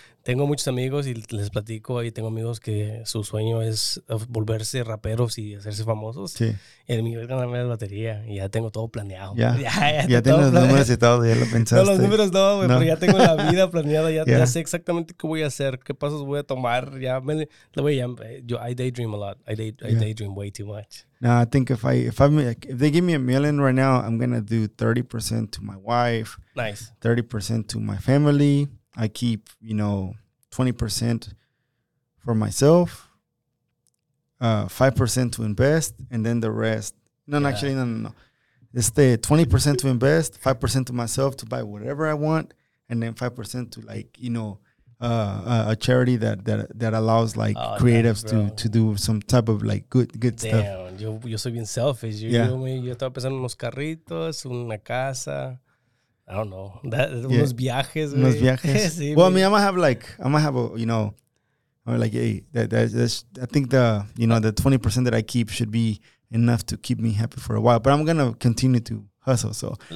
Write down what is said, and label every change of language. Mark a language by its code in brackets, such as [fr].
[es] Tengo muchos amigos y les platico. Ahí tengo amigos que su sueño es volverse raperos y hacerse famosos. Sí. El mío es ganarme la lotería y ya tengo todo planeado. Ya tengo los números y todo, ya lo pensaste. No, los números no, güey, pero ya tengo la vida planeada. Ya sé exactamente qué voy a hacer, qué pasos voy a tomar. [en] I daydream a lot. I daydream way too much. No, I think if they give me $1 million right now, I'm going to do 30% to my wife. Nice. 30% to my family. I keep, you know, 20% for myself, 5% to invest, and then the rest. No, actually, 20% to invest, 5% to myself to buy whatever I want, and then 5% to, like, you know, a charity that allows, like, oh, creatives to do some type of, like, good damn, stuff. [es] Damn, yo soy bien selfish. Yo estaba pensando en unos carritos, una casa. [en] I don't know. Unos viajes, güey. [es] Unos viajes. [en] Sí, well, I mean, I think the 20% that I keep should be enough to keep me happy for a while. But I'm going to continue to hustle, so.